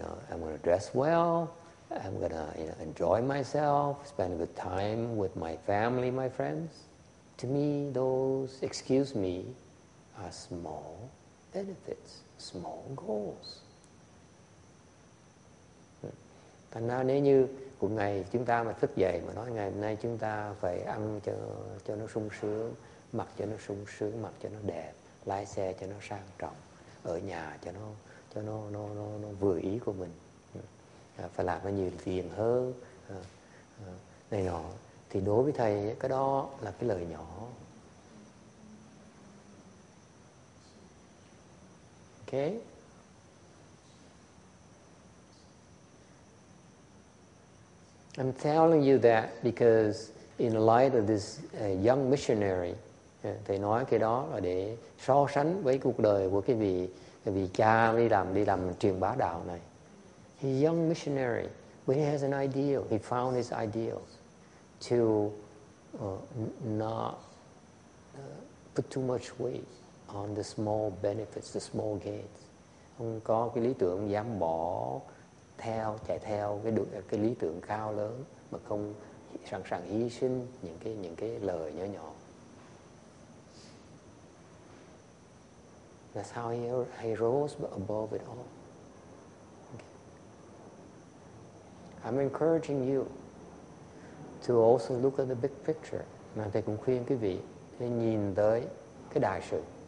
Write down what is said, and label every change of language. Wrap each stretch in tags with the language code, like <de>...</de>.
<en>I'm going to dress well. I'm going to, you know, enjoy myself, spend good time with my family, my friends. To me, those, excuse me, are small benefits, small goals.</en> <vi>Thành ra nếu như một ngày chúng ta mà thức dậy mà nói ngày hôm nay chúng ta phải ăn cho nó sung sướng, mặc cho nó sung sướng, mặc cho nó đẹp, lái xe cho nó sang trọng, ở nhà cho nó vừa ý của mình, phải làm nó nhiều tiền hơn này nọ. Thì đối với thầy cái đó là cái lời nhỏ.</vi> <en>Ok. I'm telling you that because in light of this young missionary,</en> <vi>thầy nói cái đó là để so sánh với cuộc đời của cái vị cha đi làm truyền bá đạo này.</vi> <en>He's a young missionary, but he has an ideal. He found his ideal. To not put too much weight on the small benefits, the small gains.</en> <vi>Ông có cái lý tưởng dám bỏ theo, chạy theo cái lý tưởng cao lớn mà không sẵn sàng hy sinh những cái lời nhỏ nhỏ.</vi> <en>That's how he rose above it all. Okay. I'm encouraging you to also look at the big picture.</en> <vi>Mà thầy cũng khuyên quý vị để nhìn tới cái đại sự.</vi>